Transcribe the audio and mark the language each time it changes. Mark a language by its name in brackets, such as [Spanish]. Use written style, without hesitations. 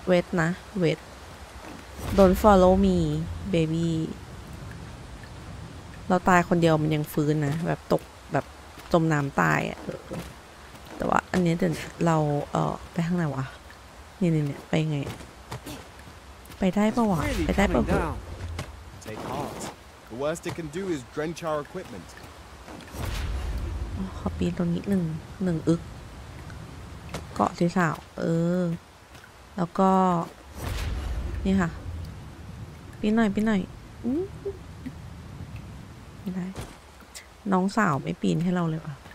[Thai] เวทนะเวท [English] Don't follow me, baby. [Thai] เราตายคนเดียวมันยังฟื้นนะแบบตกแบบจมน้ำตายอ่ะแต่ว่าอันนี้เดี๋ยวเราไปทางไหนวะนี่ๆๆไปไงไปได้ป่าววะไปได้ป่าวเ ถอะ [English] Take heart. The worst it can do is drench our equipment. [Thai] ขอปีนตรงนี้1 1อึกเกาะที่สาวเออแล้วก็นี่ค่ะปีนหน่อยปีนหน่อยอื้อไม่ได้น้องสาวไม่ปีนให้เราเลยว่ะ